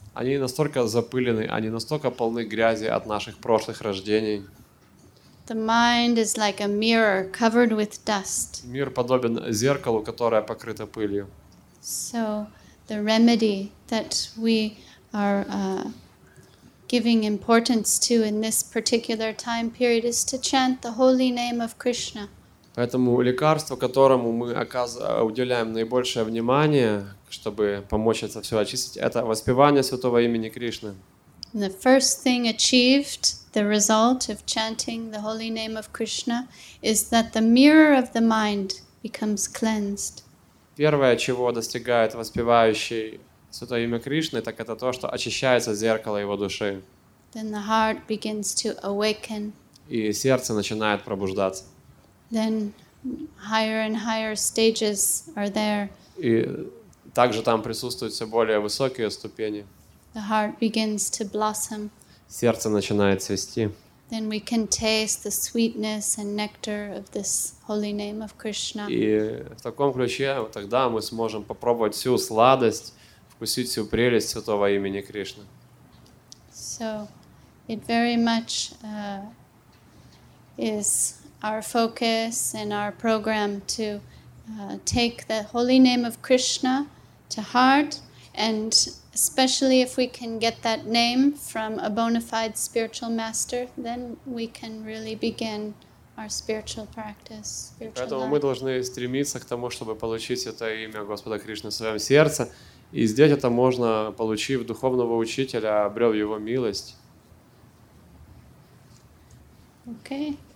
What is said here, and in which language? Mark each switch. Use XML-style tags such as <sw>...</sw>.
<ru>Они настолько запылены, они настолько полны грязи от наших прошлых рождений.</ru> <en>The mind is like a mirror covered with dust.</en> <ru>Мир подобен зеркалу, которое покрыто пылью.</ru> <en>So the remedy that we are giving importance to in this particular time period is to chant the holy name of Krishna.</en> <ru>Поэтому лекарство, которому мы уделяем наибольшее внимание, чтобы помочь это все очистить, это воспевание святого имени Кришны.</ru> <en>The first thing achieved, the result of chanting the holy name of Krishna, is that the mirror of the mind becomes cleansed.</en> <ru>Первое, чего достигает воспевающий святое имя Кришны, так это то, что очищается зеркало его души.</ru> <en>Then the heart begins to awaken.</en> <ru>И сердце начинает пробуждаться.</ru> <en>Then higher and higher stages are there.</en> <ru>И также там присутствуют все более высокие ступени.</ru> <en>The heart begins to blossom.</en> <ru>Сердце начинает цвести.</ru> <en>Then we can taste the sweetness and nectar of this holy name of Krishna.</en> <ru>И в таком ключе тогда мы сможем попробовать всю сладость, вкусить всю прелесть святого имени Кришны.</ru> <en>So it very much is our focus and our program to take the holy name of Krishna to heart, and especially if we can get that name from a bona fide spiritual master, then we can really begin our spiritual practice.</en> <ru>Поэтому мы должны стремиться к тому, чтобы получить это имя Господа Кришны в своем сердце, и сделать это можно, получив духовного учителя, обрел его милость.</ru> <en>Okay.</en>